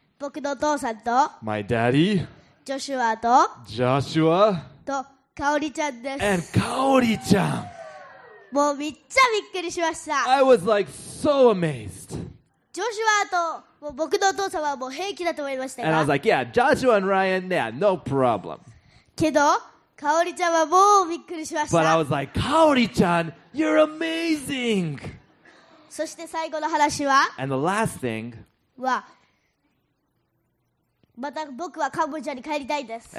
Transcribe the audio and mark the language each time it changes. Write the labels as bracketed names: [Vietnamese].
[Japanese] 僕のお父さんと。 [English] My daddy. [Japanese] ジョシュアと。 [English] Joshua. [Japanese] と、カオリちゃんです。 [English] And カオリちゃん。 [Japanese] もうめっちゃびっくりしました。 [English] I was like, so amazed. [Japanese] ジョシュアと、もう僕のお父さんはもう平気だと思いましたが。 [English] And I was like, yeah, Joshua and Ryan, yeah, no problem. [Japanese] けど、カオリちゃんはもうびっくりしました。 [English] But I was like, カオリちゃん、You're amazing! [Japanese] そして最後の話は? [English] And the last thing [Japanese] は、また僕はカンボジアに帰りたいです。